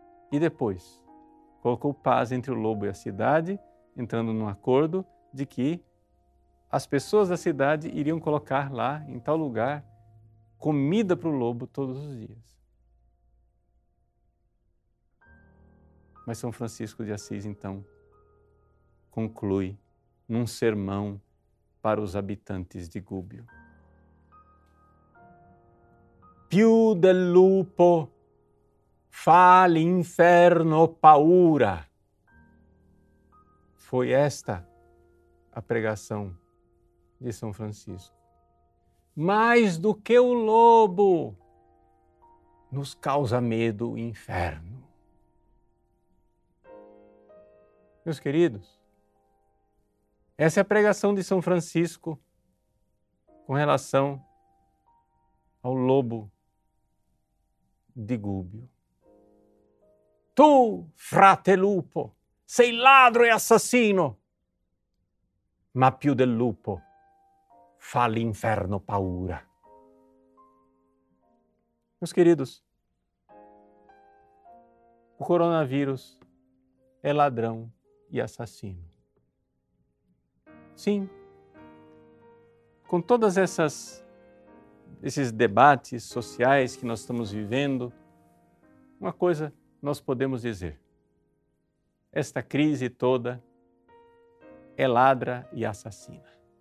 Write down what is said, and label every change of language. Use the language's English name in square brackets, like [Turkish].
[Portuguese] E depois colocou paz entre o lobo e a cidade, entrando num acordo de que as pessoas da cidade iriam colocar lá, em tal lugar, comida para o lobo todos os dias. Mas São Francisco de Assis, então, conclui num sermão para os habitantes de Gúbio. [Italian] Più del lupo fa l'inferno paura. [Portuguese] Foi esta a pregação de São Francisco. Mais do que o lobo nos causa medo o inferno. Meus queridos, essa é a pregação de São Francisco com relação ao lobo de Gúbio. [Italian] Tu, frate lupo, sei ladro e assassino, ma più del lupo fa l'inferno paura. [Portuguese] Meus queridos, o coronavírus é ladrão e assassino. Sim, com todas esses debates sociais que nós estamos vivendo, uma coisa nós podemos dizer, esta crise toda é ladra e assassina.